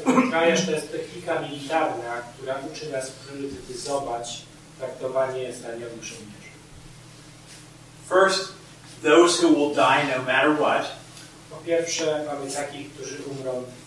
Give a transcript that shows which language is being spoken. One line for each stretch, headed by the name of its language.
Polish: Triage to jest technika militarna, która uczy nas priorytetyzować traktowanie zranionych żołnierzy.
English: First, those who will die no matter what.
Polish: Po pierwsze, mamy takich, którzy umrą.